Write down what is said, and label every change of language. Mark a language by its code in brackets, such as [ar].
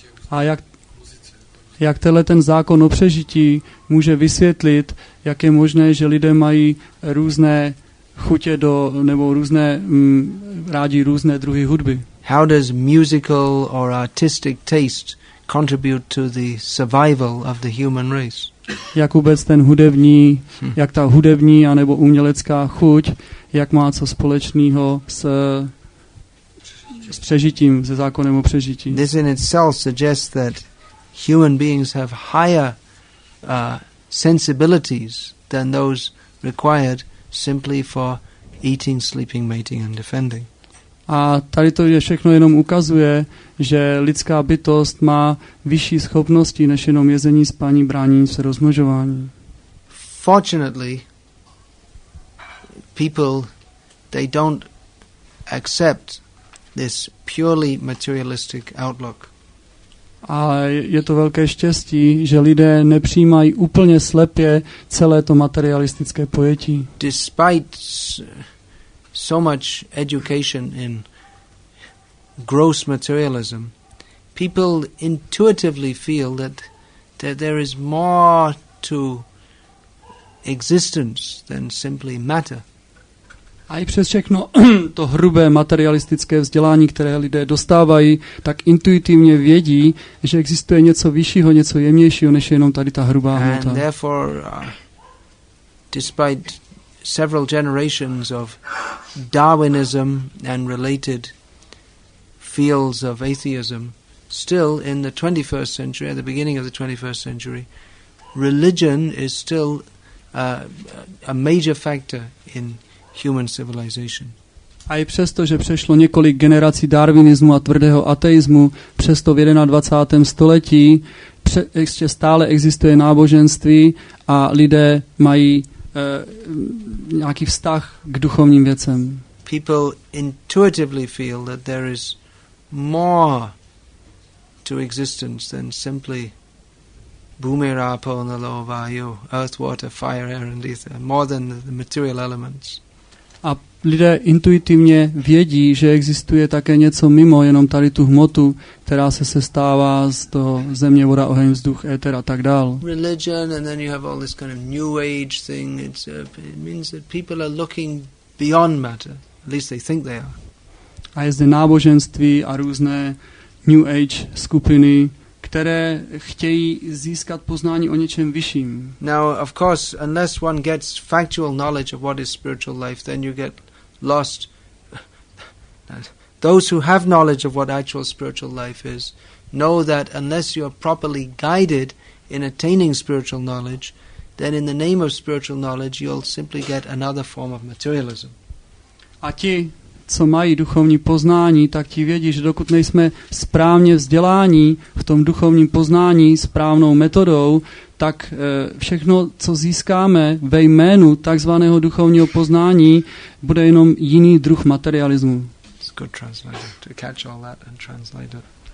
[cs] A jak tenhle ten zákon o přežití může vysvětlit, jak je možné, že lidé mají různé chutě do nebo různé rádi různé druhy hudby? [en] How does musical or artistic taste contribute to the survival of the human race? [cs] Jak vůbec ten hudební, jak ta hudební a nebo umělecká chuť, jak má co společného s přežitím, se zákonem o přežití? [en] This in itself suggests that human beings have higher sensibilities than those required simply for eating, sleeping, mating and defending. [cs] A tady to je všechno jenom ukazuje, že lidská bytost má vyšší schopnosti než jenom jezení, spání, bránění se, rozmnožování. [en] Fortunately, people, they don't accept this purely materialistic outlook. [cs] A je to velké štěstí, že lidé nepřijímají úplně slepě celé to materialistické pojetí. [en] Despite so much education in gross materialism, people intuitively feel that there is more to existence than simply matter. [cs] A i přes všechno to hrubé materialistické vzdělání, které lidé dostávají, tak intuitivně vědí, že existuje něco vyššího, něco jemnějšího, než jenom tady ta hrubá hmota. [en] And therefore, despite several generations of Darwinism and related fields of atheism, still in the 21st century, at the beginning of the 21st century, religion is still a major factor in human civilization. [cs] A i přesto, že přešlo několik generací darwinismu a tvrdého ateismu, přesto v 21. století ještě stále existuje náboženství a lidé mají nějaký vztah k duchovním věcem. [en] People intuitively feel that there is more to existence than simply [sa] bhumira, apanalo, vayu, [en] earth, water, fire, air and ether, more than the material elements. [cs] A lidé intuitivně vědí, že existuje také něco mimo jenom tady tu hmotu, která se sestává z toho země, voda, oheň, vzduch, éter a tak dál. [en] Religion, and then you have all this kind of new age thing. It means that people are looking beyond matter. At least they think they are. [cs] A je zde náboženství a různé new age skupiny, které chtějí získat poznání o něčem vyšším. [en] Now, of course, unless one gets factual knowledge of what is spiritual life, then you get lost. Those who have knowledge of what actual spiritual life is know that unless you are properly guided in attaining spiritual knowledge, then in the name of spiritual knowledge, you'll simply get another form of materialism. [cs] A ti, co mají duchovní poznání, tak ti vědí, že dokud nejsme správně vzdělání v tom duchovním poznání správnou metodou, tak všechno, co získáme ve jménu takzvaného duchovního poznání, bude jenom jiný druh materialismu. [en] It's good translator to catch all that and translate it.